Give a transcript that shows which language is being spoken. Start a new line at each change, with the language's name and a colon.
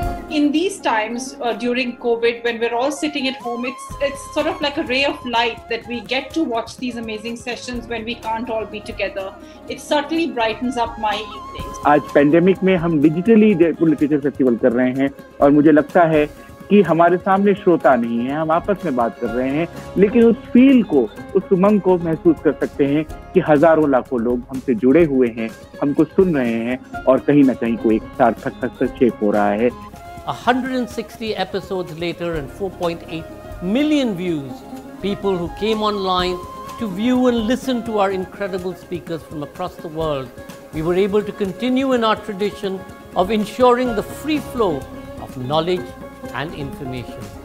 English: In these times, during COVID, when we're all sitting at home, it's sort of like a ray of light that we get to watch these amazing sessions when we can't all be together. It certainly brightens up my evenings.
Hindi: आज pandemic में हम digitally Jaipur literature festival कर रहे हैं और मुझे लगता है कि हमारे सामने श्रोता नहीं है, हम आपस में बात कर रहे हैं, लेकिन उस फील को, उस उमंग को महसूस कर सकते हैं कि हजारों लाखों लोग हमसे जुड़े हुए हैं, हमको सुन रहे हैं और कहीं ना कहीं कोई एक सार्थक हस्तक्षेप हो रहा है.
English: 160 episodes later and 4.8 million views, people who came online to view and listen to our incredible speakers from across the world, we were able to continue in our tradition of ensuring the free flow of knowledge and information.